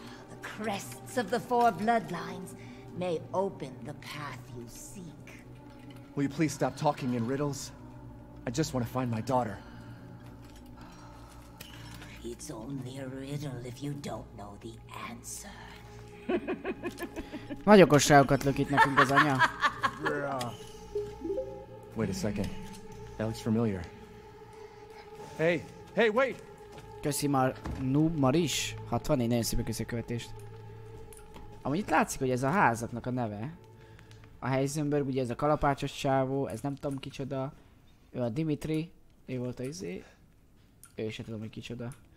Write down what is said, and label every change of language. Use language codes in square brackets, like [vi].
[en] The crests of the four bloodlines may open the path you seek. Will you please stop talking in riddles? I just want to find my daughter. It's only a riddle if you don't know the answer. [hu] Nagy okosságokat lök itt nekünk az anya. [en] Wait a second. That looks familiar. Hey, hey, wait! [hu] Köszi már Noob Maris 64, nagyon szépen köszi a követést. Amúgy itt látszik, hogy ez a házatnak a neve. A Heisenberg, ugye ez a kalapácsos csávó, ez nem tudom kicsoda. Ő a Dimitri, ő volt a izé. Ő se tudom, hogy kicsoda.